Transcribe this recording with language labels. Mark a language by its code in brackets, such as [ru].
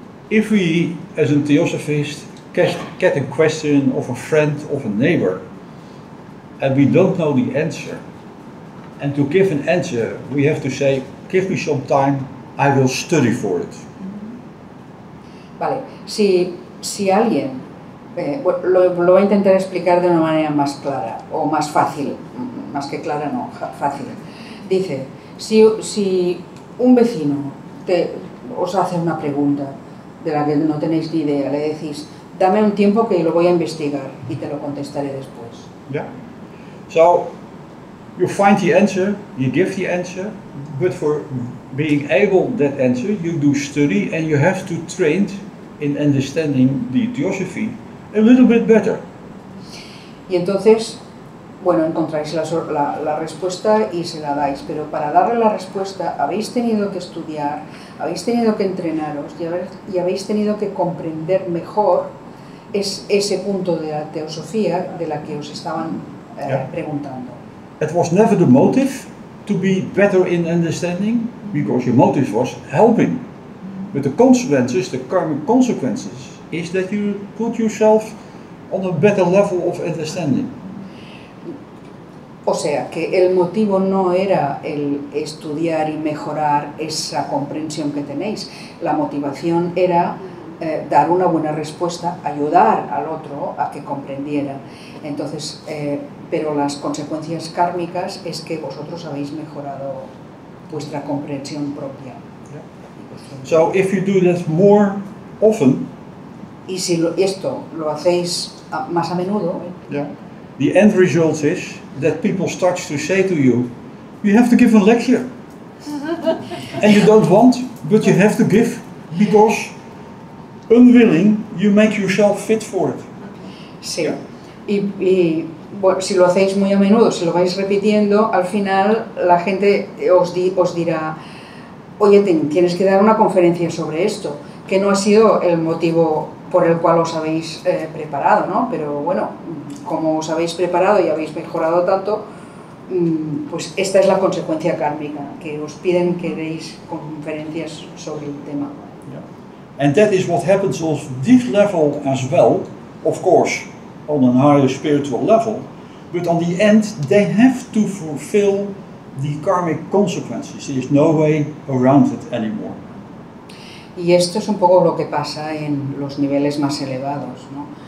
[en] If we, as a theosophist, get a question of a friend of a neighbor, and we don't know the answer, and to give an answer, we have to say, give me some time, I will study for it. Mm-hmm. [es] Vale, si alguien, lo voy a intentar explicar de una manera más clara, o más fácil, más que clara, no, fácil. Dice, si un vecino os hace una pregunta de la que no tenéis ni idea, le decís, dame un tiempo que lo voy a investigar y te lo contestaré después. Yeah. [en] So, you find the answer, you give the answer, but for being able that answer, you do study and you have to train in understanding the theosophy a little bit better. [es] Y entonces, bueno, encontráis la respuesta y se la dais, pero para darle la respuesta habéis tenido que estudiar, habéis tenido que entrenaros y habéis tenido que comprender mejor ese punto de la teosofía de la que os estaban preguntando. [en] It was never the motive to be better in understanding, because your motive was helping. But the consequences, the karmic consequences, is that you put yourself on a better level of understanding. [es] O sea, que el motivo no era el estudiar y mejorar esa comprensión que tenéis. La motivación era dar una buena respuesta, ayudar al otro a que comprendiera. Entonces, pero las consecuencias kármicas es que vosotros habéis mejorado vuestra comprensión propia. [en] So, if you do this more often, [es] y si esto lo hacéis más a menudo, [en] The end result is that people start to say to you, you have to give a lecture. And you don't want, but you have to give, because unwilling, you make yourself fit for it. Sí. Yeah. [es] Y bueno, si lo hacéis muy a menudo, si lo vais repitiendo, al final la gente os dirá, oye, tienes que dar una conferencia sobre esto, que no ha sido el motivo por el cual os habéis preparado, ¿no? Pero bueno, como os habéis preparado y habéis mejorado tanto, pues esta es la consecuencia kármica, que os piden que deis conferencias sobre el tema. Yeah. [en] And that is what happens on this level as well, of course, on a higher spiritual level, but on the end they have to fulfill the karmic consequences. There is no way around it anymore. [es] Y esto es un poco lo que pasa en los niveles más elevados, ¿no?